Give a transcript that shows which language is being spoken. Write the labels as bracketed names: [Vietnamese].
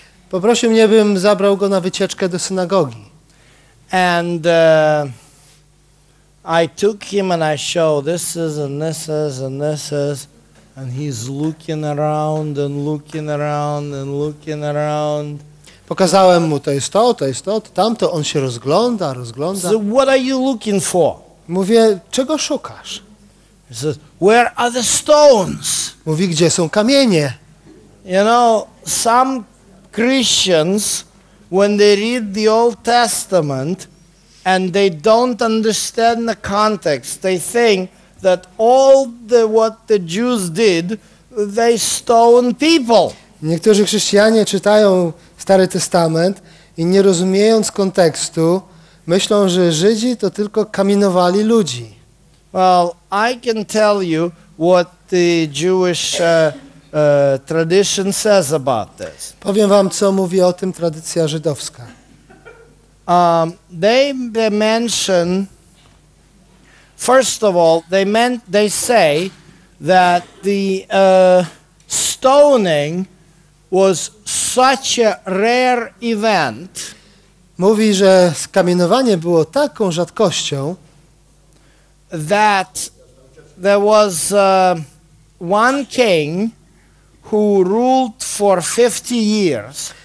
[Polish] Poprosił mnie, bym zabrał go na wycieczkę do synagogi. [English] And I took him and I showed this is and this is and this is, and he's looking around and looking around and looking around. [Polish] Pokazałem mu, to jest to, tamto, on się rozgląda, rozgląda. [English] So what are you looking for? [Polish] Mówię, czego szukasz? [English] He says, where are the stones? [Polish] Mówi, gdzie są kamienie? [English] You know, some Christians, when they read the Old Testament and they don't understand the context, they think that all the what the Jews did, they stone people. [Polish] Niektórzy chrześcijanie czytają Stary Testament i nie rozumiejąc kontekstu, myślą, że Żydzi to tylko kamienowali ludzi. [English] Well, I can tell you what the Jewish tradition says about this. [Polish] Powiem wam, co mówi o tym tradycja żydowska. [English] They mention, first of all, they say that the stoning was such a rare event. [Polish] Mówi, że skamienowanie było taką rzadkością, [English] that there was one king who ruled for 50 years.